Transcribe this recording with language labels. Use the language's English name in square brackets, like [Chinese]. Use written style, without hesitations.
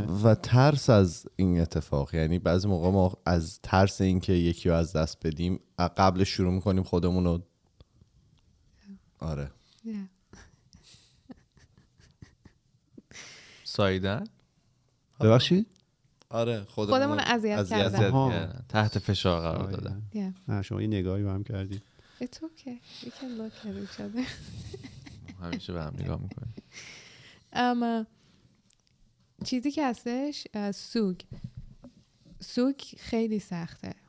[Persian] و ترس از این اتفاق، یعنی بعضی موقع ما از ترس این که یکی رو از دست بدیم قبل شروع میکنیم خودمون رو آره سایدن ببخشید آره خودمون اذیت کردن تحت فشار قرار دادن. نه شما یه نگاهی به هم کردید. [English] It's okay. We can look at each other. [Persian] همیشه به هم نگاه میکنیم. چیزی که هستش سوگ، سوگ خیلی سخته.